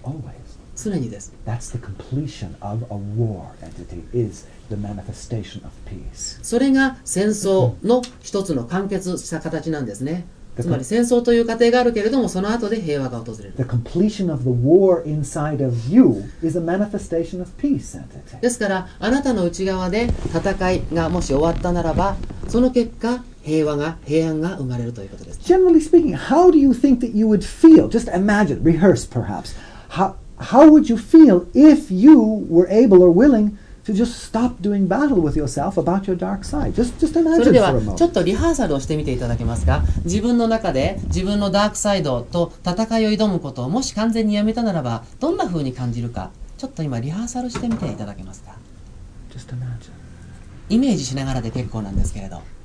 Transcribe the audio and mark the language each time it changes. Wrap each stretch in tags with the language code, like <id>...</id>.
<en>Always.</en> <ja>常にです。</ja> <en>That's the completion of a war entity, is the manifestation of peace.</en> <ja>それが戦争の一つの完結した形なんですね。つまり戦争という過程があるけれども、その後で平和が訪れる。</ja> <en>The completion of the war inside of you is a manifestation of peace entity.</en> <ja>ですから、あなたの内側で戦いがもし終わったならば、その結果、平和が、平安が生まれるということです。</ja> <en>Generally speaking, how do you think that you would feel? Just imagine, rehearse perhaps. How would you feel if you were able or willing to just stop doing battle with yourself about your dark side? Just imagine for a moment.</en> <ja>それではちょっとリハーサルをしてみていただけますか。自分の中で自分のダークサイドと戦いを挑むことをもし完全にやめたならばどんな風に感じるか。ちょっと今リハーサルしてみていただけますか。</ja> <en>Just imagine.</en> <ja>イメージしながらで結構なんですけれど。</ja>